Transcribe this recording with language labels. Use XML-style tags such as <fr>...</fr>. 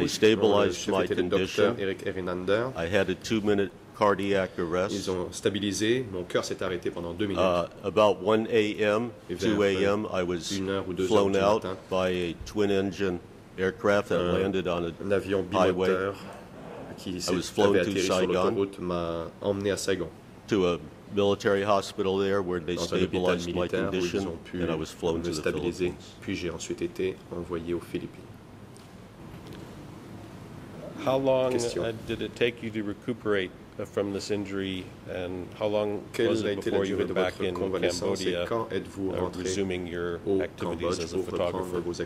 <en>They stabilized my condition. Eric Erinander. I had a 2 minute cardiac arrest.</en> <fr>Ils ont stabilisé. Mon cœur s'est arrêté pendant 2 minutes.</fr> <en>About 1 a.m., 2 a.m., I was flown out by a twin engine aircraft that landed on a</en> <fr>un avion</fr> <en>highway</en> <fr>qui s'est fait atterrir sur l'autoroute m'a emmené à Saigon.</fr> <en>To a military hospital there where they stabilized my condition and I was flown to the Philippines.</en> <fr>Puis j'ai ensuite été envoyé aux Philippines.</fr> <en>How long did it take you to recuperate from this injury and how long was it before you were back in Cambodia resuming your activities as a photographer?</en>